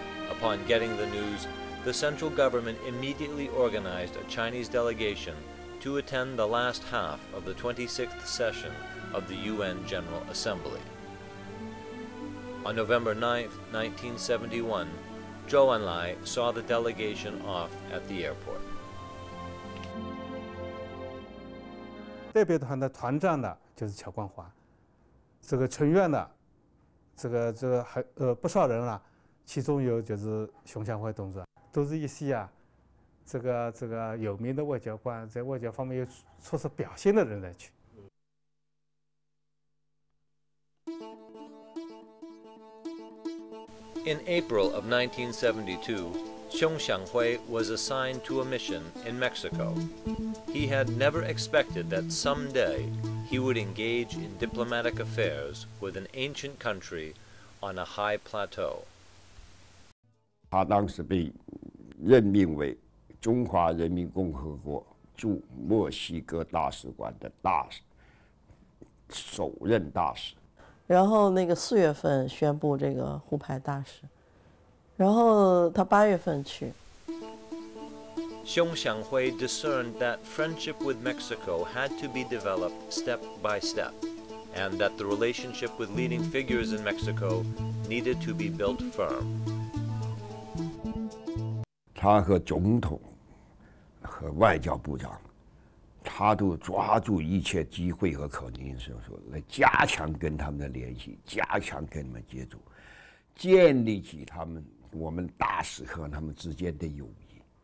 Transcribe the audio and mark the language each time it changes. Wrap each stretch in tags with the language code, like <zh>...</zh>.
<en>Upon getting the news, the central government immediately organized a Chinese delegation to attend the last half of the 26th session of the UN General Assembly. On November 9, 1971, Zhou Enlai saw the delegation off at the airport.</en> <zh>代表团的团长呢，就是乔冠华。这个成员呢，这个还不少人了、啊，其中有就是熊向晖同志，都是一些啊，这个有名的外交官，在外交方面有出色表现的人来去。</zh> <en>In April of 1972, Xiong Xianghui was assigned to a mission in Mexico. He had never expected that someday he would engage in diplomatic affairs with an ancient country on a high plateau.</en> <zh>他当时被任命为中华人民共和国驻墨西哥大使馆的大使，首任大使。然后那个四月份宣布这个互派大使，然后他八月份去。</zh> <en>Xiong Xianghui discerned that friendship with Mexico had to be developed step by step, and that the relationship with leading figures in Mexico needed to be built firm.</en> <zh>他和总统和外交部长，他他都抓住一切机会和可能性，说来加强跟他们的联系，加强跟他们接触，建立起他们我们大使和他们之间的友谊。</zh>